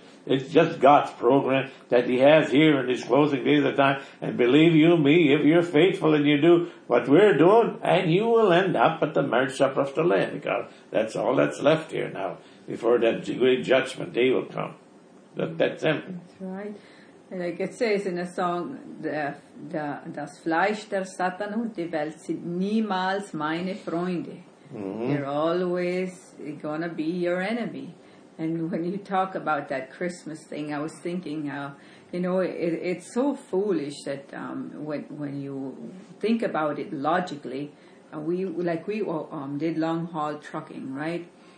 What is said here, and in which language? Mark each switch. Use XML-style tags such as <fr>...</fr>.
<en>It's just God's program that he has here in these closing days of time. And believe you me, if you're faithful and you do what we're doing, and you will end up at the marriage supper of the Lamb, because that's all that's left here now before that great judgment day will come. That's simple. That's right. Like it says in a song,</en> <de>das Fleisch der Satan und die Welt sind niemals meine Freunde. Mm-hmm.</de> <en>They're always going to be your enemy. And when you talk about that Christmas thing, I was thinking how, you know, it's so foolish that when you think about it logically, we did long haul trucking, right?</en>